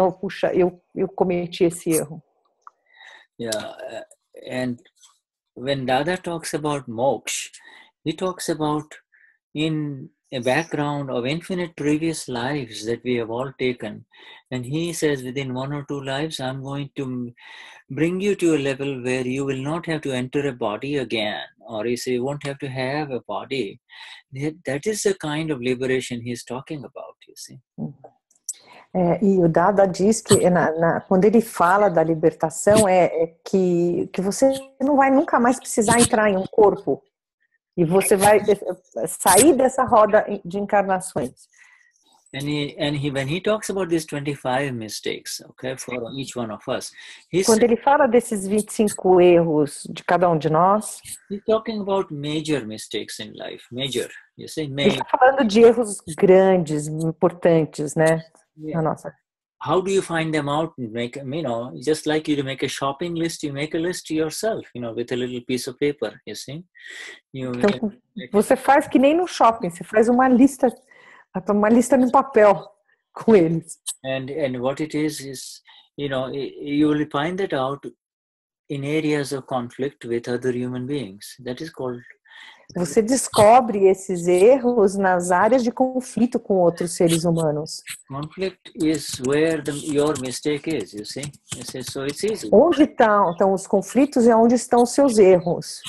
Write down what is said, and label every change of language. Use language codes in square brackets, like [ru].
[pt] Oh, puxa, eu cometi esse erro. [en] Yeah. And when Dada talks about moksha, he talks about in a background of infinite previous lives that we have all taken. And he says, within one or two lives, I'm going to bring you to a level where you will not have to enter a body again. Or you say you won't have to have a body. That is the kind of liberation he's talking about, you see. [pt] E o Dada diz que quando ele fala da libertação é que você não vai nunca mais precisar entrar em um corpo. E você vai sair dessa roda de encarnações. [en] And he, when he talks about these 25 mistakes, okay, for each one of us, [pt] quando ele fala desses 25 erros de cada de nós, [en] he's talking about major mistakes in life, major, you say major. [pt] Ele está falando de erros grandes, importantes, né, yeah. Na nossa. [en] How do you find them out and make, you know, just like you make a shopping list, you make a list yourself, you know, with a little piece of paper, you see? [pt] Você faz que nem no shopping, você faz uma lista. Uma lista no papel com eles. [en] And what it is, you know, you will find that out in areas of conflict with other human beings. That is called. [pt] Você descobre esses erros nas áreas de conflito com outros seres humanos. [en] Conflict is where your mistake is, you see? You see? So it's easy. [pt] Onde estão os conflitos e onde estão os seus erros?